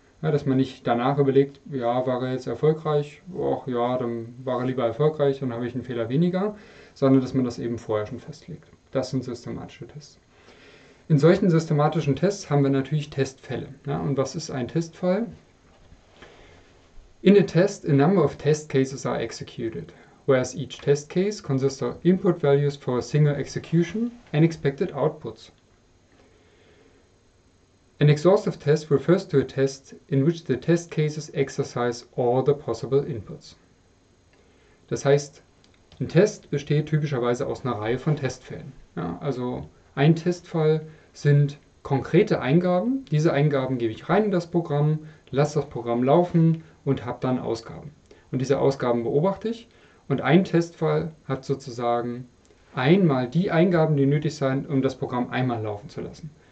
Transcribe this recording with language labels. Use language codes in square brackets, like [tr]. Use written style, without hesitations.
[de] Ja, dass man nicht danach überlegt, ja, war er jetzt erfolgreich? Ach ja, dann war er lieber erfolgreich, dann habe ich einen Fehler weniger, sondern dass man das eben vorher schon festlegt. Das sind systematische Tests. In solchen systematischen Tests haben wir natürlich Testfälle. Ja, und was ist ein Testfall? [en] In a test, a number of test cases are executed, whereas each test case consists of input values for a single execution and expected outputs. An exhaustive test refers to a test in which the test cases exercise all the possible inputs. [de] Das heißt, ein Test besteht typischerweise aus einer Reihe von Testfällen. Ja, also ein Testfall sind konkrete Eingaben. Diese Eingaben gebe ich rein in das Programm, lasse das Programm laufen und habe dann Ausgaben. Und diese Ausgaben beobachte ich. Und ein Testfall hat sozusagen einmal die Eingaben, die nötig sind, um das Programm einmal laufen zu lassen.